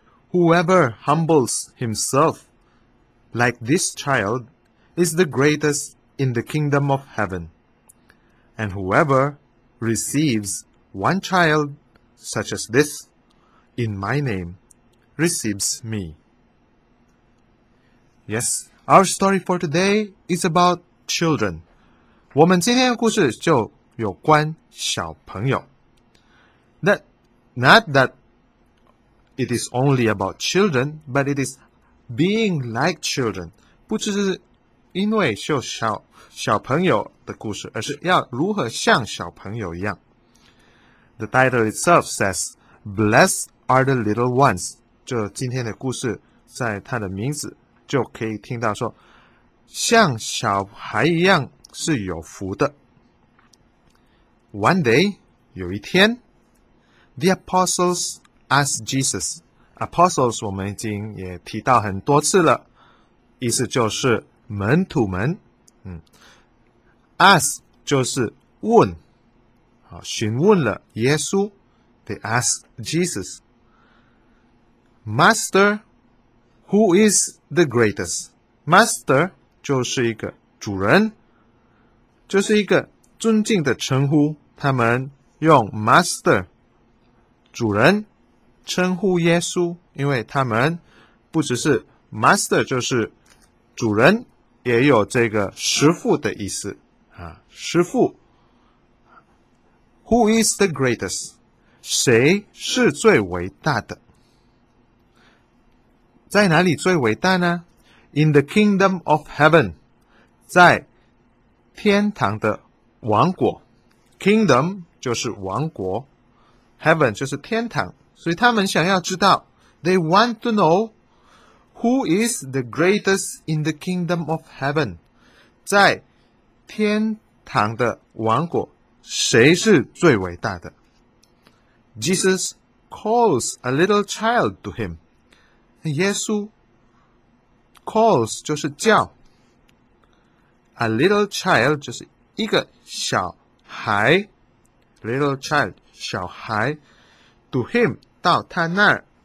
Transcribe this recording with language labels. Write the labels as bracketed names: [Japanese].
[English] Whoever humbles himself like this child is the greatest in the kingdom of heaven. And whoever receives one child such as this in my name,receives me. Yes, our story for today is about children. [Chinese] 我们今天的故事就有关小朋友。 [English] Not that it is only about children, but it is being like children. [Chinese] 不只是因为就小朋友的故事，而是要如何像小朋友一样。 [English] The title itself says, Blessed are the little ones. [Chinese] 就今天的故事在他的名字就可以听到说像小孩一样是有福的。 [English] One day, [Chinese] 有一天 [English] The apostles asked Jesus. [Chinese] Apostles 我们已经也提到很多次了，意思就是门徒们。 Ask 就是问，询问了耶稣。 [English] They asked JesusMaster, who is the greatest? [Chinese] Master 就是一个主人，就是一个尊敬的称呼。他们用 Master, 主人称呼耶稣，因为他们不只是 Master 就是主人，也有这个师父的意思。师父。 [English] Who is the greatest? [Chinese] 谁是最伟大的？在哪里最伟大呢？ [English] In the kingdom of heaven, [Chinese] 在天堂的王国。 Kingdom 就是王国， Heaven 就是天堂。所以他们想要知道， [English] They want to know who is the greatest in the kingdom of heaven, [Chinese] 在天堂的王国谁是最伟大的。 [English] Jesus calls a little child to him. [Chinese] 耶稣 [English] calls [Chinese] 就是叫 [English] a little child [Chinese] 就是一个小孩 [English] little child [Chinese] 小孩 [English] to him [Chinese] 到他那儿